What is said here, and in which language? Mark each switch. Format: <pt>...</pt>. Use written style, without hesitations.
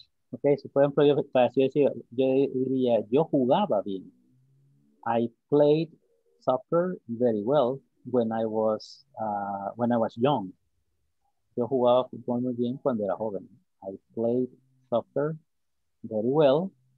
<es>Okay, si por ejemplo yo diría yo jugaba bien.</es> <en>I played soccer very well when I was young.</en> <es>Yo jugaba fútbol muy bien cuando era joven.</es> <en>I played soccer very well</en>